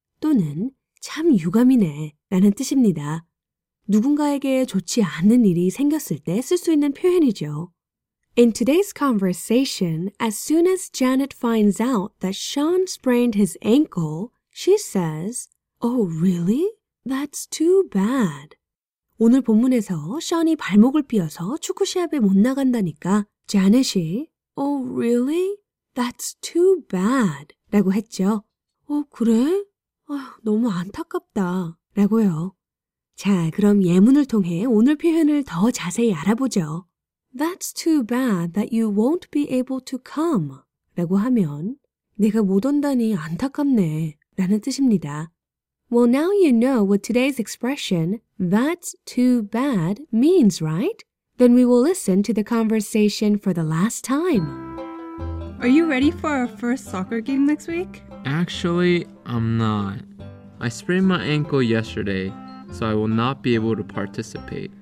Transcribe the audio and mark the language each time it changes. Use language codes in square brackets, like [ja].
[ko] 또는 참 유감이네 라는 뜻입니다. 누군가에게 좋지 않은 일이 생겼을 때 쓸 수 있는 표현이죠. [en] In today's conversation, as soon as Janet finds out that Sean sprained his ankle, she says, Oh, really? That's too bad. [ko] 오늘 본문에서 션이 발목을 삐어서 축구 시합에 못 나간다니까 제안했이 [en] Oh, really? That's too bad. [ko] 라고 했죠. 어, 그래? 아, 너무 안타깝다. 라고요. 자, 그럼 예문을 통해 오늘 표현을 더 자세히 알아보죠. [en] That's too bad that you won't be able to come. [ko] 라고 하면 내가 못 온다니 안타깝네. 라는 뜻입니다. [en] Well, now you know what today's expression, that's too bad, means, right? Then we will listen to the conversation for the last time. Are you ready for our first soccer game next week? Actually, I'm not. I sprained my ankle yesterday, so I will not be able to participate.